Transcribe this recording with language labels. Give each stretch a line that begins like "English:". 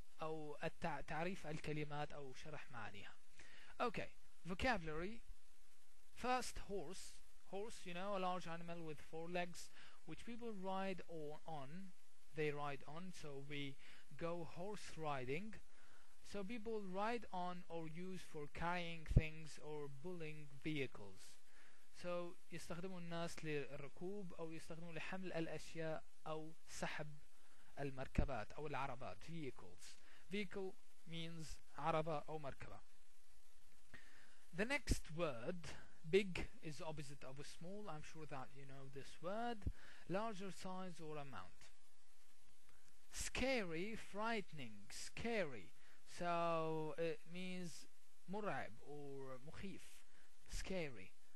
Arabic: أو تعريف الكلمات أو شرح معانيها.
English: Okay, vocabulary. First, horse. Horse, you know, a large animal with four legs, which people ride on. They ride on, so we go horse riding. So people ride on or use for carrying things or pulling vehicles.
Arabic: So يستخدمون الناس للركوب أو يستخدمون لحمل الأشياء أو سحب المركبات أو العربات. Vehicles.
English: Vehicle means
Arabic: عربة أو مركبة.
English: The next word, big, is opposite of a small. I'm sure that you know this word. Larger size or amount. Scary, frightening, scary. So it means
Arabic: مرعب or مخيف.
English: Scary.